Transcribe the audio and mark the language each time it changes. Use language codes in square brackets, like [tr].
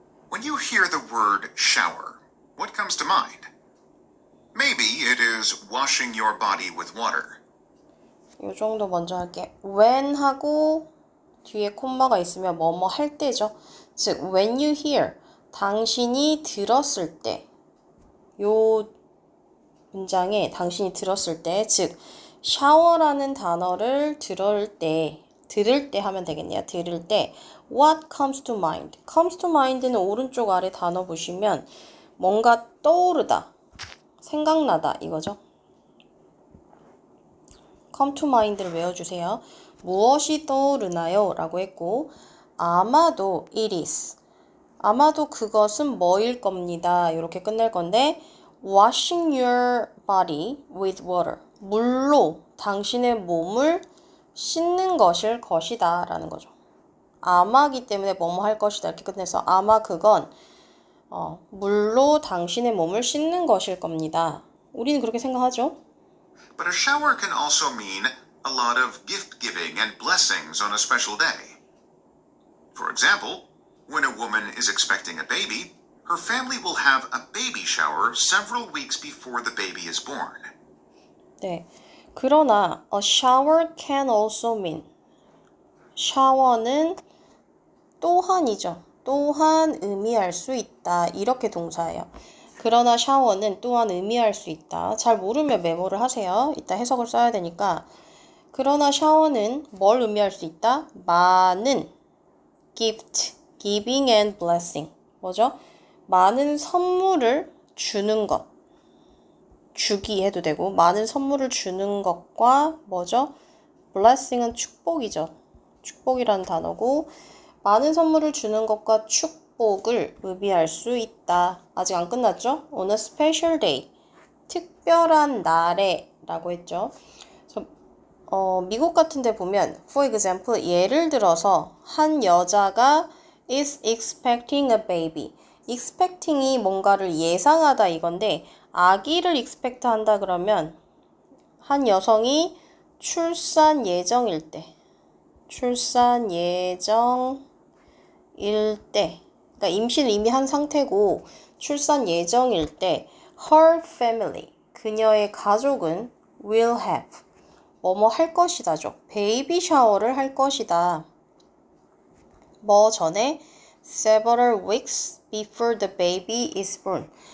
[en] When you hear the word shower, what comes to mind? Maybe it is washing your body with water. [ko] 이 정도 먼저 할게. When 하고 뒤에 콤마가 있으면 뭐뭐 할 때죠. 즉, [en] when you hear, [ko] 당신이 들었을 때, 요 문장에 당신이 들었을 때, 즉, shower라는 단어를 들을 때 하면 되겠네요. 들을 때, [en] what comes to mind? comes to mind [ko] 는 오른쪽 아래 단어 보시면 뭔가 떠오르다, 생각나다 이거죠. [en] Come to mind [ko] 를 외워주세요. 무엇이 떠오르나요? 라고 했고, 아마도 [en] it is. [ko] 아마도 그것은 뭐일 겁니다. 이렇게 끝낼 건데, [en] washing your body with water. [ko] 물로 당신의 몸을 씻는 것일 것이다. 라는 거죠. 아마기 때문에 뭐뭐 할 것이다. 이렇게 끝내서, 아마 그건, 물로 당신의 몸을 씻는 것일 겁니다. 우리는 그렇게 생각하죠. [en] But a shower can also mean a lot of gift giving and blessings on a special day. For example, when a woman is expecting a baby, her family will have a baby shower several weeks before the baby is born. [ko] 네. [en] 그러나 a shower can also mean [ko] 샤워는 또한이죠. 또한 의미할 수 있다. 이렇게 동사예요. 그러나 샤워는 또한 의미할 수 있다. 잘 모르면 메모를 하세요. 이따 해석을 써야 되니까. 그러나 샤워는 뭘 의미할 수 있다? 많은 [en] gift, giving and blessing. [ko] 뭐죠? 많은 선물을 주는 것. 주기 해도 되고, 많은 선물을 주는 것과, 뭐죠? blessing은 축복이죠. 축복이라는 단어고, 많은 선물을 주는 것과 축복을 의미할 수 있다. 아직 안 끝났죠? [en] On a special day. [ko] 특별한 날에 라고 했죠. 미국 같은 데 보면, [en] for example, [ko] 예를 들어서, 한 여자가 [en] is expecting a baby. [ko] expecting이 뭔가를 예상하다 이건데, 아기를 expect 한다 그러면, 한 여성이 출산 예정일 때. 출산 예정일 때. 그러니까 임신을 이미 한 상태고, 출산 예정일 때, [en] her family, [ko] 그녀의 가족은 [en] will have. [ko] 뭐뭐 할 것이다죠. 베이비 샤워를 할 것이다. 뭐 전에, [en] several weeks before the baby is born.